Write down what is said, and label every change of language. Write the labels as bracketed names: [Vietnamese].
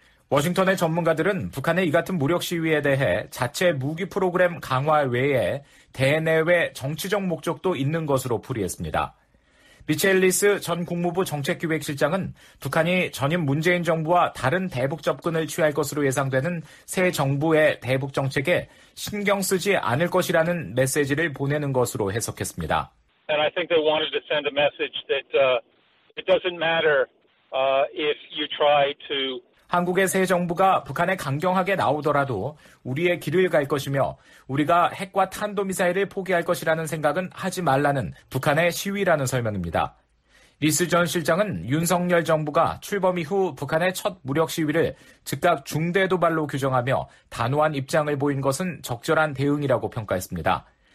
[Korean] 워싱턴의 전문가들은 북한의 이 같은 무력 시위에 대해 자체 무기 프로그램 강화 외에 대내외 정치적 목적도 있는 것으로 풀이했습니다. 미첼리스 전 국무부 정책기획실장은 북한이 전임 문재인 정부와 다른 대북 접근을 취할 것으로 예상되는 새 정부의 대북 정책에 신경 쓰지 않을 것이라는 메시지를 보내는 것으로 해석했습니다. [English] And I think they wanted to send a message that it doesn't matter if you try to [Korean] 한국의 새 정부가 북한에 강경하게 나오더라도 우리의 길을 갈 것이며 우리가 핵과 탄도미사일을 포기할 것이라는 생각은 하지 말라는 북한의 시위라는 설명입니다. 리스 전 실장은 윤석열 정부가 출범 이후 북한의 첫 무력 시위를 즉각 중대도발로 규정하며 단호한 입장을 보인 것은 적절한 대응이라고 평가했습니다.